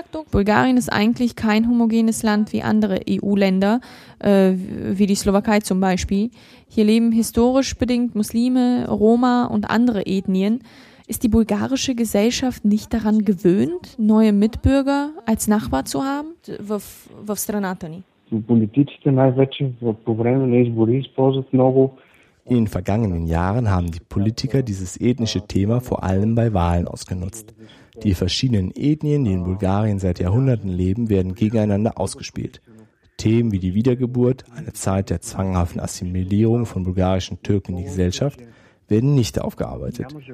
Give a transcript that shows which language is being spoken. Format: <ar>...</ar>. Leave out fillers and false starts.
<de>Bulgarien ist eigentlich kein homogenes Land wie andere EU-Länder, wie die Slowakei zum Beispiel. Hier leben historisch bedingt Muslime, Roma und andere Ethnien. Ist die bulgarische Gesellschaft nicht daran gewöhnt, neue Mitbürger als Nachbar zu haben?</de> <bg>Във страната ни. Политиците най-вече по време на избори използват много.</bg> <de>In vergangenen Jahren haben die Politiker dieses ethnische Thema vor allem bei Wahlen ausgenutzt. Die verschiedenen Ethnien, die in Bulgarien seit Jahrhunderten leben, werden gegeneinander ausgespielt. Themen wie die Wiedergeburt, eine Zeit der zwanghaften Assimilierung von bulgarischen Türken in die Gesellschaft, werden nicht aufgearbeitet.</de>